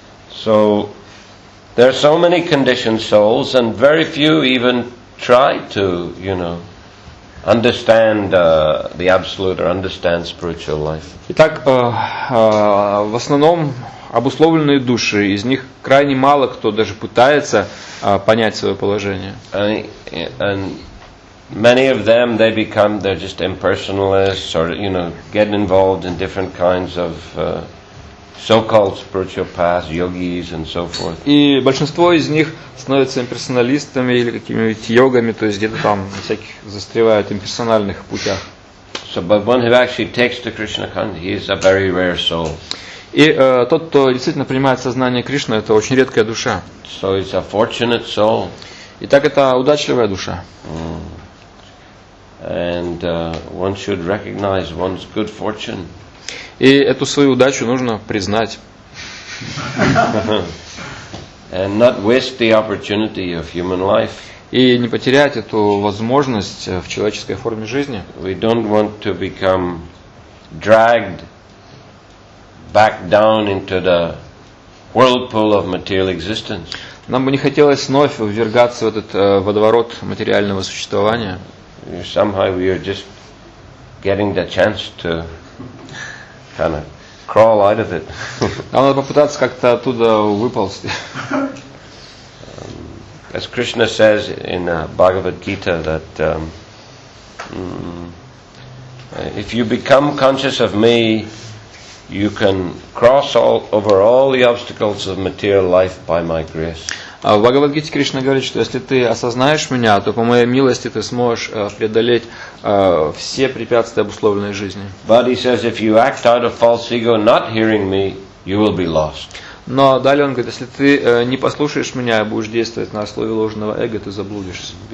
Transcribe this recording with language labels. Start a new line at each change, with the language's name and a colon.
English: So there are so many conditioned souls and very few even try to, you know, understand the Absolute or understand spiritual life.
Russian: Итак, в основном обусловленные души, из них крайне мало кто даже пытается понять свое положение.
English: And many of them, they become, they're just impersonalists or, you know, get involved in different kinds of so-called spiritual paths, yogis and so forth.
Russian: И большинство из них становятся имперсоналистами или какими-нибудь йогами, то есть где-то там всяких застревают в имперсональных путях.
English: So, but one who actually takes to Krishna consciousness, he is a very rare soul.
Russian: И тот, кто действительно принимает сознание Кришны, это очень редкая душа.
English: So it's a fortunate soul.
Russian: Итак, это удачливая душа.
English: And one should recognize one's good fortune.
Russian: И эту свою удачу нужно признать.
English: And not waste the opportunity of human life.
Russian: И не потерять эту возможность в человеческой форме жизни.
English: We don't want to become dragged back down into the whirlpool of material existence.
Russian: Нам бы не хотелось вновь ввергаться в этот водоворот материального существования.
English: Somehow we are just getting the chance to kind of crawl out of it.
Russian: Нам надо попытаться как-то оттуда выползти.
English: As Krishna says in Bhagavad Gita that if you become conscious of me, you can cross all over all the obstacles of material life by my grace.
Russian: В Бхагавад Гите Кришна говорит, что если ты осознаешь меня, то по моей милости ты сможешь преодолеть все препятствия обусловленной жизни.
English: But he says if you act out of false ego, not hearing me, you will be lost.
Russian: Но далее он говорит, если ты не послушаешь меня и будешь действовать на основе ложного эго, ты заблудишься.